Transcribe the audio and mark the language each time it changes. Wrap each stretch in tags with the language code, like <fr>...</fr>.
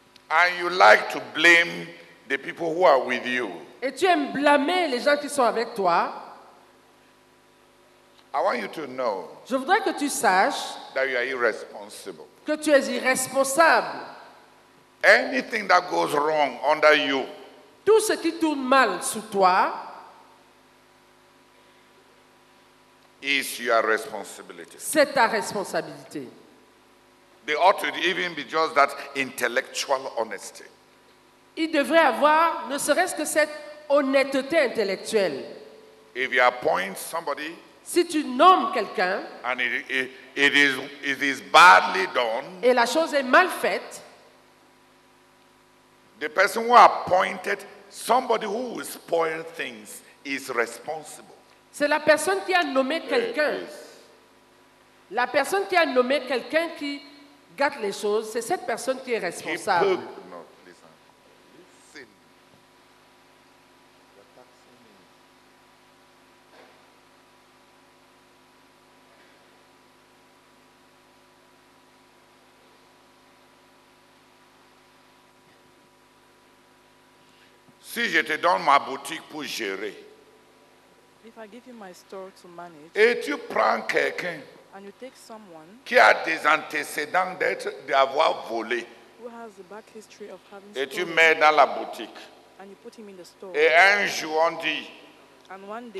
<en>and you like to blame the people who are with you,</en> <fr>et tu aimes blâmer les gens qui sont avec toi,</fr> <en>I want you to know</en> <fr>je voudrais que tu saches</fr> <en>that you are irresponsible.</en> <fr>Que tu es irresponsable.</fr> <en>Anything that goes wrong under you,</en> <fr>tout ce qui tourne mal sous toi</fr> <en>is your responsibility.</en> <fr>C'est ta responsabilité.</fr> <en>They ought to even be just that intellectual honesty.</en> <fr>Il devrait avoir ne serait-ce que cette honnêteté intellectuelle.</fr> <en>If you appoint somebody,</en> <fr>si tu nommes quelqu'un,</fr> <en>and it is badly done,</en> <fr>et la chose est mal faite,</fr> <en>the person who appointed somebody who will spoil things is responsible.</en> <fr>C'est la personne qui a nommé quelqu'un. La personne qui a nommé quelqu'un qui gâte les choses, c'est cette personne qui est responsable. Si je te donne ma boutique pour gérer,</fr> <en>if I give you my store to manage,</en> <fr>et tu prends quelqu'un</fr> <en>and you take someone,</en> <fr>qui a des antécédents d'avoir volé,</fr> <en>who has the back history of having</en> <fr>et tu mets dans la boutique,</fr> <en>and you put him in the store,</en> <fr>et un jour on dit</fr> <en>and one day,</en>